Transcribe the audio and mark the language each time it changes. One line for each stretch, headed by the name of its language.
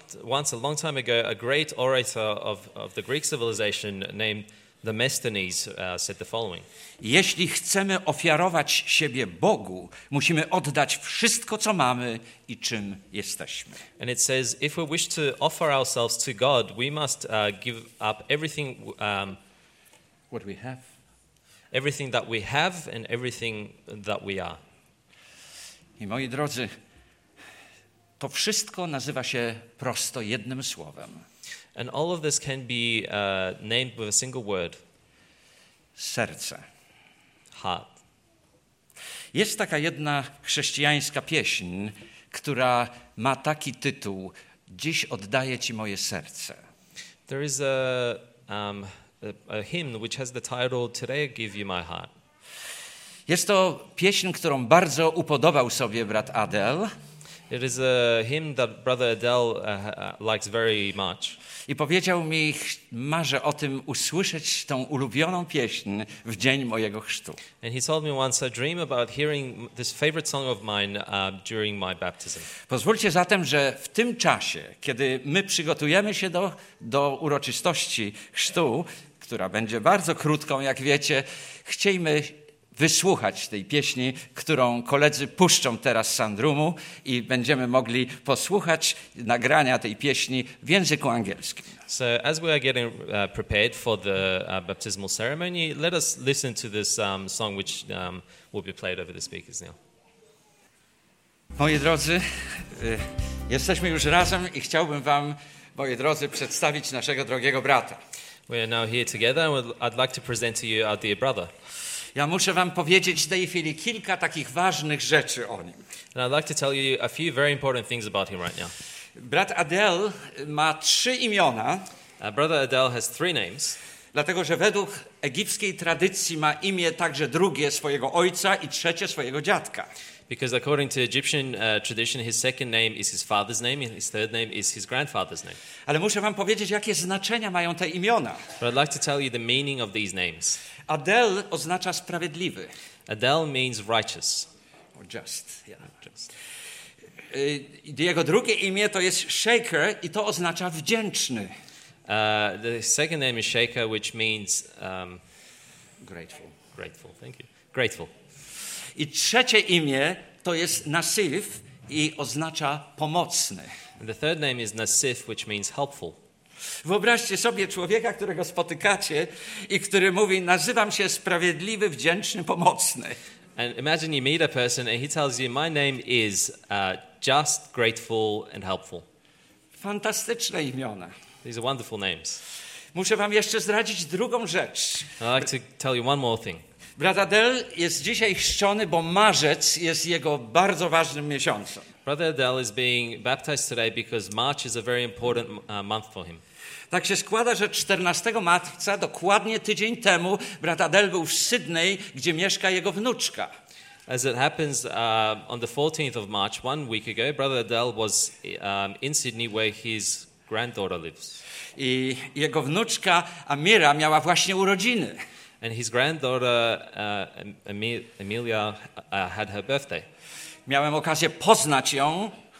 English: Once a long time ago, a great orator of the Greek civilization named Demosthenes said the following.
Polish: Jeśli chcemy ofiarować siebie Bogu, musimy oddać wszystko, co mamy i czym jesteśmy.
English: And it says, if we wish to offer ourselves to God, we must give up everything. What we have. Everything that we have and everything that we are.
Polish: I moi drodzy, to wszystko nazywa się prosto jednym słowem.
English: And all of this can be named with a single word.
Polish: Serce.
English: Heart.
Polish: Jest taka jedna chrześcijańska pieśń, która ma taki tytuł: Dziś oddaję Ci moje serce.
English: There is a hymn which has the title Today I Give You My Heart.
Polish: Jest to pieśń, którą bardzo upodobał sobie brat Adel.
English: It is a hymn that brother Adel likes very much.
Polish: I powiedział mi, marzę o tym usłyszeć tą ulubioną pieśń w dzień mojego chrztu.
English: And he told me once, I dream about hearing this favorite song of mine during my baptism.
Polish: Pozwólcie zatem, że w tym czasie, kiedy my przygotujemy się do uroczystości chrztu, która będzie bardzo krótką, jak wiecie, chciejmy wysłuchać tej pieśni, którą koledzy puszczą teraz z Sandroomu i będziemy mogli posłuchać nagrania tej pieśni w języku angielskim.
English: So as we are getting prepared for the baptismal ceremony, let us listen to this song which will be played over the speakers now.
Polish: Moi drodzy, jesteśmy już razem i chciałbym wam, moi drodzy, przedstawić naszego drogiego brata.
English: We are now here together and I'd like to present to you our dear brother.
Polish: Ja muszę wam powiedzieć w tej chwili kilka takich ważnych rzeczy o nim.
English: And I'd like to tell you a few very important things about him right now.
Polish: Brat Adel ma trzy imiona.
English: Brother Adel has three names.
Polish: Dlatego, że według egipskiej tradycji ma imię także drugie swojego ojca i trzecie swojego dziadka.
English: Because according to Egyptian tradition, his second name is his father's name and his third name is his grandfather's name.
Polish: Ale muszę wam powiedzieć, jakie znaczenia mają te imiona.
English: But I'd like to tell you the meaning of these names.
Polish: Adel oznacza sprawiedliwy.
English: Adel means righteous. Or just, yeah. Just.
Polish: Jego drugie imię to jest Shaker i to oznacza wdzięczny.
English: The second name is Shaker, which means grateful. Grateful, thank you. Grateful.
Polish: I trzecie imię to jest Nasif i oznacza pomocny.
English: And the third name is Nasif, which means helpful.
Polish: Wyobraźcie sobie człowieka, którego spotykacie i który mówi: nazywam się sprawiedliwy, wdzięczny, pomocny.
English: And imagine you meet a person and he tells you, my name is just, grateful and helpful.
Polish: Fantastyczne imiona.
English: These are wonderful names.
Polish: Muszę wam jeszcze zdradzić drugą rzecz.
English: I'd like to tell you one more thing.
Polish: Brat Adel jest dzisiaj chrzczony, bo marzec jest jego bardzo ważnym miesiącem.
English: Brother Adel is being baptized today because March is a very important month for him.
Polish: Tak się składa, że 14 marca, dokładnie tydzień temu, brat Adel był w Sydney, gdzie mieszka jego wnuczka.
English: As it happens, on the 14th of March, one week ago, brother Adel was in Sydney where his granddaughter lives.
Polish: I jego wnuczka Amira miała właśnie urodziny.
English: And his granddaughter Amelia had her birthday.
Polish: Miałem okazję poznać ją.